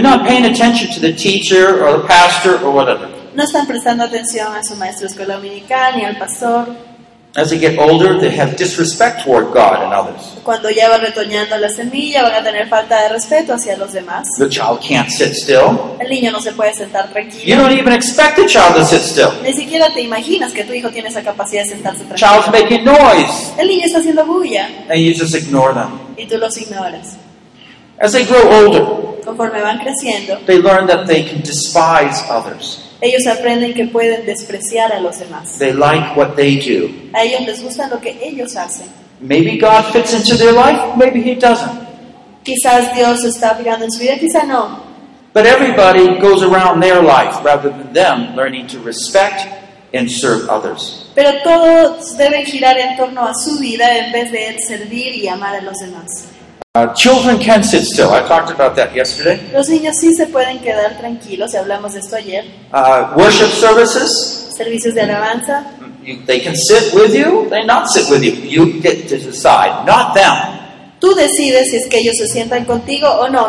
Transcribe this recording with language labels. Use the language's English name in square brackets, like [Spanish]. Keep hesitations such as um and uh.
[English] not paying attention to the teacher or the pastor or whatever. [Spanish] No están prestando atención a su maestro escolar dominical ni al pastor. [English] As they get older, they have disrespect toward God and others. [Spanish] Cuando ya va retoñando la semilla, van a tener falta de respeto hacia los demás. [English] The child can't sit still. [Spanish] El niño no se puede sentar tranquilo. [English] You don't even expect a child to sit still. [Spanish] Ni siquiera te imaginas que tu hijo tiene esa capacidad de sentarse tranquilo. [English] Child's making noise. [Spanish] El niño está haciendo bulla. [English] And you just ignore them. [Spanish] Y tú los ignoras. [English] As they grow older, [Spanish] conforme van creciendo, [English] they learn that they can despise others. [Spanish] Ellos aprenden que pueden despreciar a los demás. [English] They like what they do. [Spanish] A ellos les gusta lo que ellos hacen. [English] Maybe God fits into their life, maybe he [Spanish] quizás Dios está mirando en su vida, quizás no. [English] But goes their life than to and serve [Spanish] Pero todos deben girar en torno a su vida en vez de servir y amar a los demás. [English] Uh, children can sit still. I talked about that yesterday. [Spanish] Los niños sí se pueden quedar tranquilos. Y hablamos de esto ayer. [English] Uh, worship services. [Spanish] Servicios de alabanza. [English] You, they can sit with you. They not sit with you. You get to decide, not them. [Spanish] Tú decides si es que ellos se sientan contigo o no.